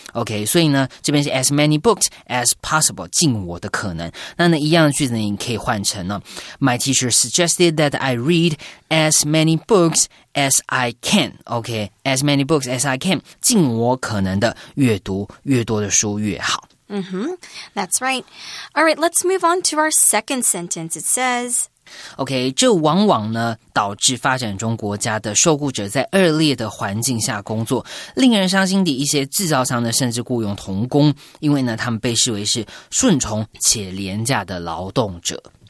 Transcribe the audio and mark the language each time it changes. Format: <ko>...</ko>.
<zh>OK, 所以呢这边是</zh> <en>as many books as possible,</en> <zh>尽我的可能。那呢一样的句子呢你可以换成呢</zh> <en>My teacherSuggested that I read as many books as I can. Okay, as many books as I can.</en> <zh>尽我可能的阅读越多的书越好。</zh> <en>Mm-hmm, that's right. All right, let's move on to our second sentence. It says...</en> <zh>OK, 这往往呢导致发展中国家的受雇者在恶劣的环境下工作，令人伤心的一些制造商呢甚至雇佣童工，因为呢他们被视为是顺从且廉价的劳动者。</zh>